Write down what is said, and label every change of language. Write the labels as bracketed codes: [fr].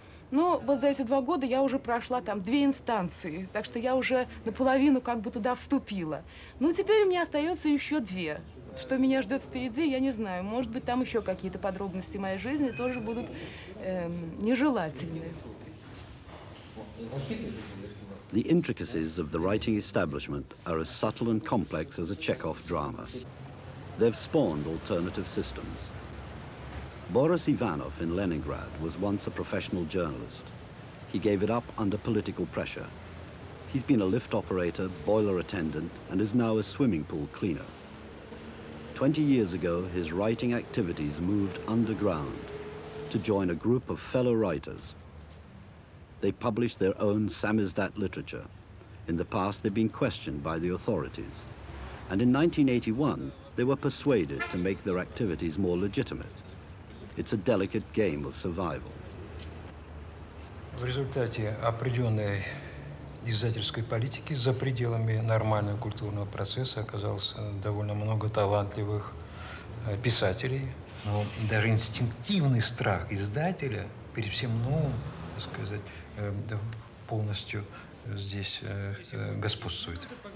[ru] Но вот за эти 2 года я уже прошла там 2 инстанции, так что я уже наполовину как бы туда вступила. Ну, теперь мне остается еще 2. Что меня ждет впереди, я не знаю. Может быть, там еще какие-то подробности моей жизни тоже будут нежелательные. [en] The intricacies of the writing establishment are as subtle and complex as a Chekhov drama. They've spawned alternative systems. Boris Ivanov in Leningrad was once a professional journalist. He gave it up under political pressure. He's been a lift operator, boiler attendant, and is now a swimming pool cleaner. 20 years ago, his writing activities moved underground to join a group of fellow writers. They published their own samizdat literature. In the past, they've been questioned by the authorities. And in 1981, they were persuaded to make their activities more legitimate. It's a delicate game of survival. [ru] В результате определенной издательской политики за пределами нормального культурного процесса оказалось довольно много талантливых писателей. Но даже инстинктивный страх издателя перед всем новым, так сказать, полностью здесь господствует.